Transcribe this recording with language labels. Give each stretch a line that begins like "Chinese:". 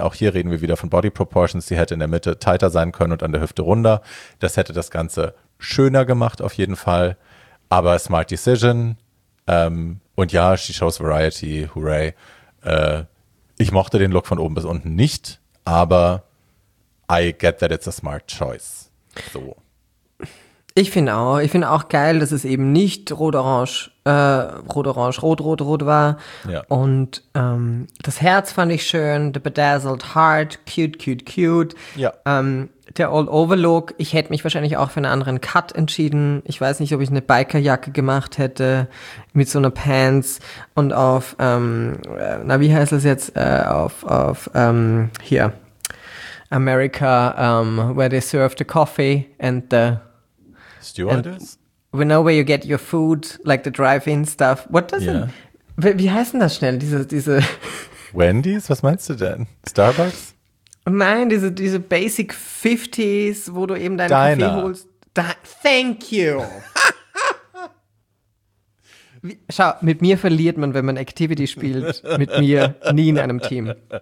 German: Auch hier reden wir wieder von Body Proportions. Sie hätte in der Mitte tighter sein können und an der Hüfte runder. Das hätte das Ganze schöner gemacht, auf jeden Fall. Aber
English: smart decision.
German: Und ja,
English: she shows variety. Hooray.
German: Ich mochte den Look von oben bis unten nicht.
English: Aber I get that it's a smart choice.
German: So. Ich finde auch geil, dass es eben nicht rot-orange rot-orange, rot-rot-rot war. Ja. Und das Herz fand ich schön,
English: the bedazzled heart,
German: cute, cute, cute. Ja. Der All-Over-Look, ich hätte mich wahrscheinlich auch für einen anderen Cut entschieden. Ich weiß nicht, ob ich eine Bikerjacke gemacht hätte mit so einer Pants und auf, na, wie heißt das jetzt, auf hier,
English: America, where they serve the coffee and the... Stewardess? We know where you get your food, like the drive-in stuff. What does it...
German: Wie heißen das schnell, diese... Wendy's? Was meinst du denn? Starbucks? Nein, diese Basic 50s, wo du eben deinen Diner. Kaffee holst.
English: Thank you.
German: Schau, mit mir verliert man, wenn man Activity spielt. Mit mir nie in einem Team.